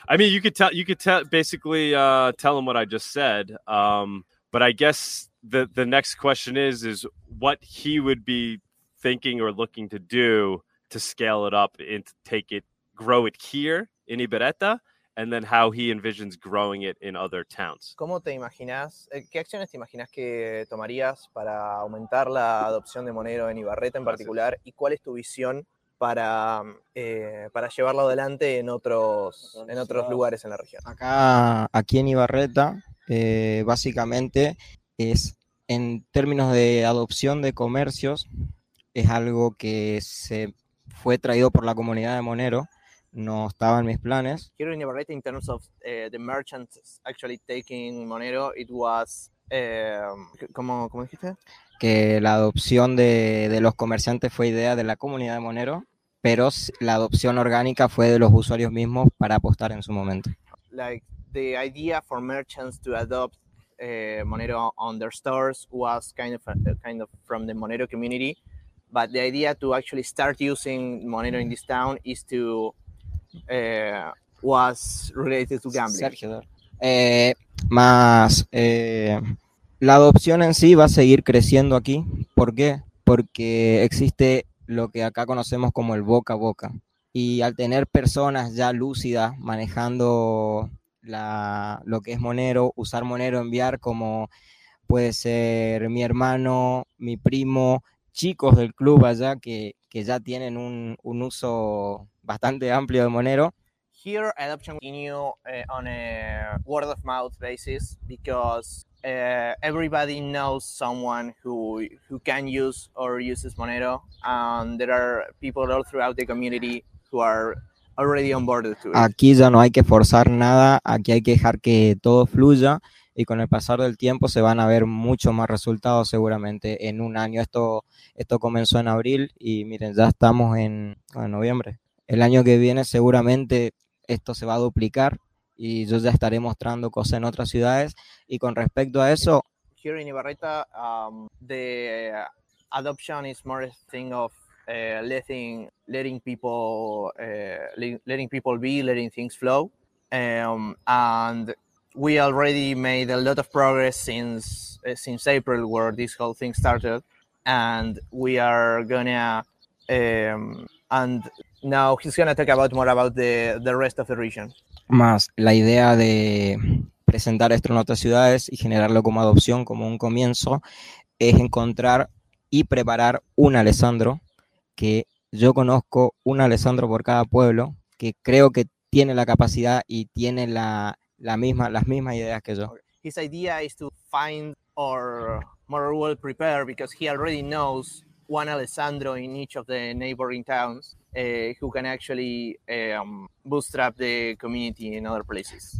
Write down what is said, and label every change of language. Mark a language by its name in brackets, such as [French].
[English] I mean, you could tell basically tell him what I just said. But I guess the next question is what he would be thinking or looking to do to scale it up and to take it, grow it here in Ibarreta. And then how he envisions growing it in other towns. [Spanish] ¿Cómo te imaginas, qué acciones te imaginas que tomarías para aumentar la adopción de Monero en Ibarreta en particular? Y cuál es tu visión para llevarlo adelante en otros lugares en la región? Acá, aquí en Ibarreta, básicamente es en términos de adopción de comercios, es algo que se fue traído por la comunidad de Monero. No estaba en mis planes. [English] Here in Ibarreta, in terms of the merchants actually taking Monero, it was, [Spanish] ¿cómo dijiste? Que la adopción de los comerciantes fue idea de la comunidad de Monero, pero la adopción orgánica fue de los usuarios mismos para apostar en su momento. [English] Like, the idea for merchants to adopt Monero on their stores was kind of from the Monero community, but the idea to actually start using Monero in this town is to was related to gambling. Sergio. [Spanish] La adopción en sí va a seguir creciendo aquí. ¿Por qué? Porque existe lo que acá conocemos como el boca a boca. Y al tener personas ya lúcidas manejando lo que es Monero, usar Monero, enviar como puede ser mi hermano, mi primo, chicos del club allá que ya tienen un uso bastante amplio de Monero. [English] Here, adoption continue on a word of mouth basis because everybody knows someone who can use or uses Monero, and there are people all throughout the community who are already onboarded to it. [Spanish] Aquí ya no hay que forzar nada, aquí hay que dejar que todo fluya, y con el pasar del tiempo se van a ver mucho más resultados seguramente en un año. Esto comenzó en abril y miren, ya estamos en noviembre. El año que viene seguramente esto se va a duplicar y yo ya estaré mostrando cosas en otras ciudades. Y con respecto a eso, [English] here in Ibarreta, the adoption is more a thing of letting things flow. And we already made a lot of progress since April, where this whole thing started. and we are going to, and now he's going to talk about more about the rest of the region. [Spanish] Más la idea de presentar esto en otras ciudades y generarlo como adopción, como un comienzo, es encontrar y preparar un Alessandro, que yo conozco un Alessandro por cada pueblo, que creo que tiene la capacidad y tiene las mismas ideas que yo. [English] His idea is to find or more well prepare, because he already knows one Alessandro in each of the neighboring towns, who can actually bootstrap the community in other places.